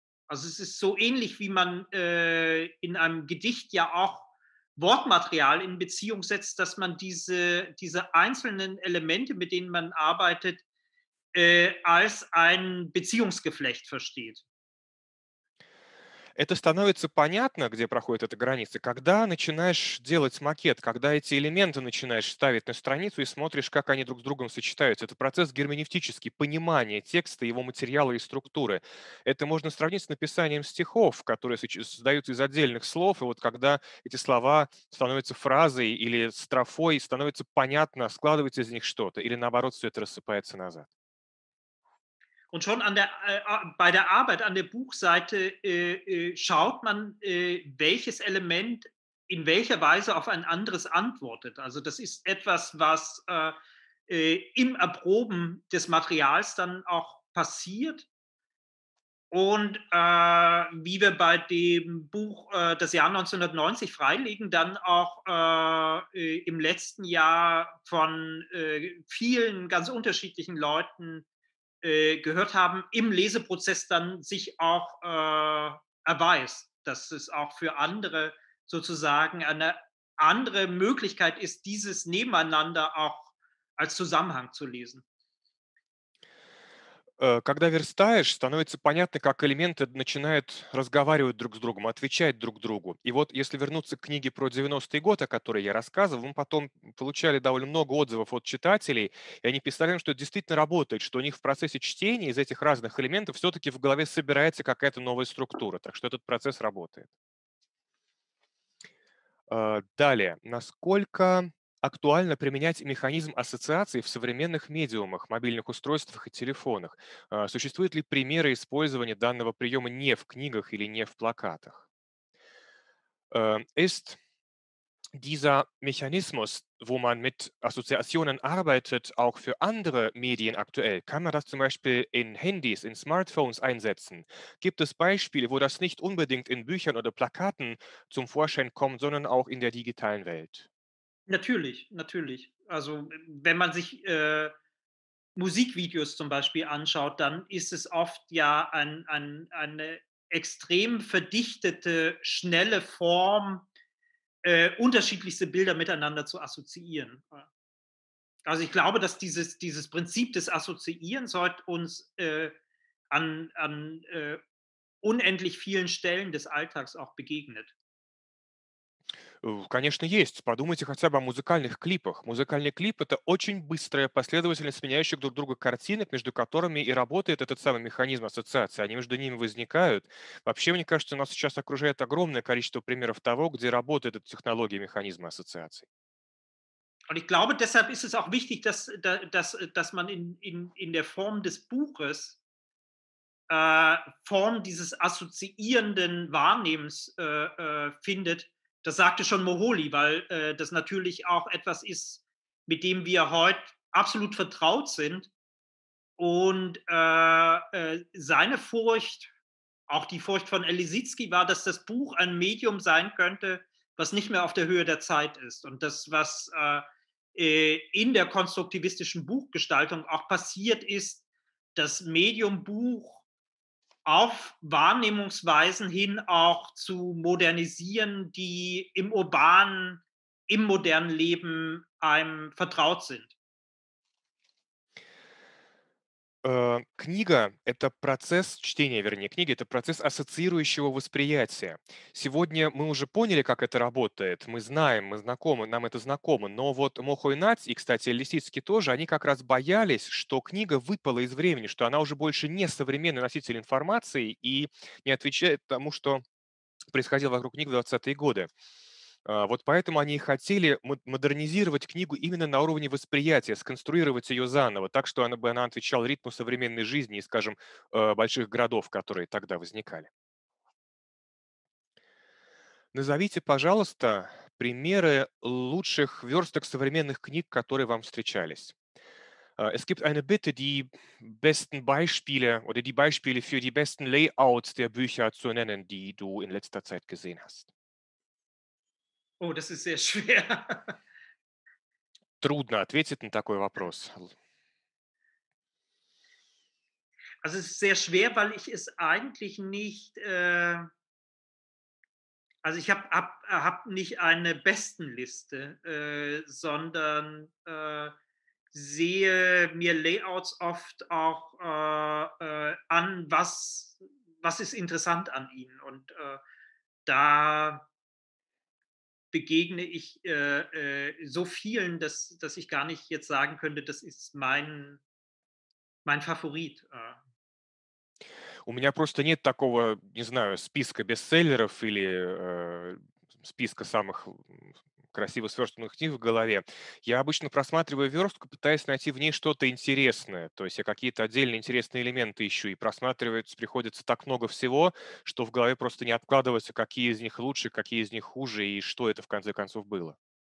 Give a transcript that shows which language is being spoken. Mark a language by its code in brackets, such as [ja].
[de] Also es ist so ähnlich, wie man in einem Gedicht ja auch Wortmaterial in Beziehung setzt, dass man diese einzelnen Elemente, mit denen man arbeitet, als ein Beziehungsgeflecht versteht. [ru] это становится понятно, где проходит эта граница, когда начинаешь делать макет, когда эти элементы начинаешь ставить на страницу и смотришь, как они друг с другом сочетаются. Это процесс герменевтический, понимание текста, его материала и структуры. Это можно сравнить с написанием стихов, которые создаются из отдельных слов, и вот когда эти слова становятся фразой или строфой, становится понятно, складывается из них что-то, или наоборот, все это рассыпается назад. [de] Und schon an der, bei der Arbeit an der Buchseite schaut man, welches Element in welcher Weise auf ein anderes antwortet. Also das ist etwas, was im Erproben des Materials dann auch passiert. Und wie wir bei dem Buch das Jahr 1990 freilegen, dann auch im letzten Jahr von vielen ganz unterschiedlichen Leuten gehört haben, im Leseprozess dann sich auch erweist, dass es auch für andere sozusagen eine andere Möglichkeit ist, dieses Nebeneinander auch als Zusammenhang zu lesen. [ru] Когда верстаешь, становится понятно, как элементы начинают разговаривать друг с другом, отвечать друг другу. И вот если вернуться к книге про 90-й год, о которой я рассказывал, мы потом получали довольно много отзывов от читателей, и они писали, что это действительно работает, что у них в процессе чтения из этих разных элементов все-таки в голове собирается какая-то новая структура. Так что этот процесс работает. Далее. Насколько актуально применять механизм ассоциации в современных медиумах, мобильных устройствах и телефонах? Существуют ли примеры использования данного приема не в книгах или не в плакатах? [de] Ist dieser Mechanismus, wo man mit Assoziationen arbeitet, auch für andere Medien aktuell? Kann man das zum Beispiel in Handys, in Smartphones einsetzen? Gibt es Beispiele, wo das nicht unbedingt in Büchern oder Plakaten zum Vorschein kommt, sondern auch in der digitalen Welt? Natürlich, natürlich. Also wenn man sich Musikvideos zum Beispiel anschaut, dann ist es oft ja eine extrem verdichtete, schnelle Form, unterschiedlichste Bilder miteinander zu assoziieren. Also ich glaube, dass dieses Prinzip des Assoziierens heute uns an unendlich vielen Stellen des Alltags auch begegnet. [ru] Конечно, есть. Подумайте хотя бы о музыкальных клипах. Музыкальный клип — это очень быстрая последовательность сменяющих друг друга картинок, между которыми и работает этот самый механизм ассоциации. Они между ними возникают. Вообще, мне кажется, нас сейчас окружает огромное количество примеров того, где работает эта технология механизма ассоциации. [de] Und ich glaube, deshalb ist es auch wichtig, dass man in der Form des Buches Form dieses assoziierenden Wahrnehmens findet. Das sagte schon Moholy, weil das natürlich auch etwas ist, mit dem wir heute absolut vertraut sind. Und seine Furcht, auch die Furcht von Elisitzky, war, dass das Buch ein Medium sein könnte, was nicht mehr auf der Höhe der Zeit ist. Und das, was in der konstruktivistischen Buchgestaltung auch passiert ist, das Medium Buch auf Wahrnehmungsweisen hin auch zu modernisieren, die im urbanen, im modernen Leben einem vertraut sind. [ru] Книга — это процесс чтения, вернее, книга — это процесс ассоциирующего восприятия. Сегодня мы уже поняли, как это работает, мы знаем, мы знакомы, нам это знакомо, но вот Мохо и Нац, и, кстати, Лисицкий тоже, они как раз боялись, что книга выпала из времени, что она уже больше не современный носитель информации и не отвечает тому, что происходило вокруг книг в 20-е годы. Вот поэтому они и хотели модернизировать книгу именно на уровне восприятия, сконструировать ее заново, так, чтобы она отвечала ритму современной жизни и, скажем, больших городов, которые тогда возникали. Назовите, пожалуйста, примеры лучших версток современных книг, которые вам встречались. [de] Es gibt eine Bitte, die besten Beispiele oder die Beispiele für die besten Layouts der Bücher zu nennen, die du in letzter Zeit gesehen hast. Oh, das ist sehr schwer. [ru] Трудно ответить на такой вопрос. [de] Also es ist sehr schwer, weil ich es eigentlich nicht, also ich hab nicht eine Bestenliste, sondern sehe mir Layouts oft auch an, was was ist interessant an ihnen? Und da begegne ich so vielen, dass ich gar nicht jetzt sagen könnte, das ist mein Favorit. [ru] У меня просто нет такого, не знаю, списка бестселлеров или списка самых красиво сверстанных книг в голове. Я обычно просматриваю верстку, пытаясь найти в ней что-то интересное. То есть я какие-то отдельные интересные элементы ищу, и просматривать приходится так много всего, что в голове просто не откладывается, какие из них лучше, какие из них хуже, и что это в конце концов было.